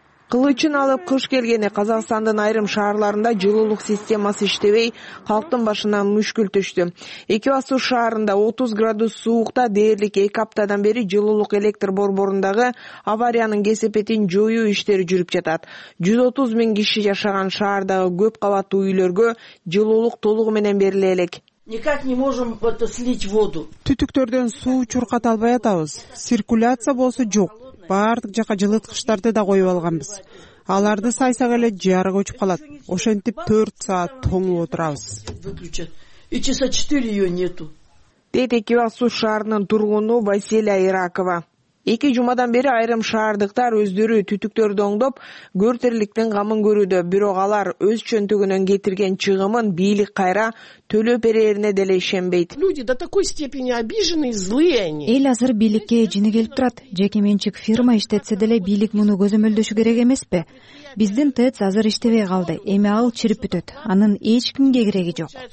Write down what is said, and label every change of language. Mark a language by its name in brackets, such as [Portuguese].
[Kyrgyz] Кылычын алып кыш келгени Казакстандын айрым шаарларында жылуулук системасы иштебей, калктын башына мүшкүл түштү. Экибастуз шаарында 30 градус суукта дээрлик 2 аптадан бери жылуулук электр борборундагы аварияның кесепетин жоюу иштери жүрүп жатат. 130 000 киши жашаган шаардагы көп кабаттуу үйлөргө жылуулук толугу менен бериле элек. [Russian] Никак не можем слить воду. [Kyrgyz] Түтүктөрдөн суу чурката албай атабыз. Циркуляция болсо жок. бардык жака жылыткычтарды да коюп алганбыз. Аларды сайсак эле жарык өчүп калат. Ошентип 4 саат тоңуп отурабыз. [Russian] И часа 4 её нету. [Kyrgyz] Деди Кивасуу шаарынын тургуну Василия Иракова. Эки жумадан бери айрым шаардыктар өздөрү түтүктөрдү оңдоп, көртерликтин камын көрүүдө, бирок алар өз чөнтөгүнөн кетирген чыгымын бийлик кайра төлөп берерине деле ишенбейт. [Russian] Люди до такой степени обижены и злые они. [Kyrgyz] Эл азыр бийликке жини келип турат. Жекеменчик фирма иштетсе деле бийлик муну көзөмөлдөшү керек эмеспи? Биздин ТЭЦ азыр иштебей калды. Эми ал чирип бүтөт. Анын эч кимге кереги жок.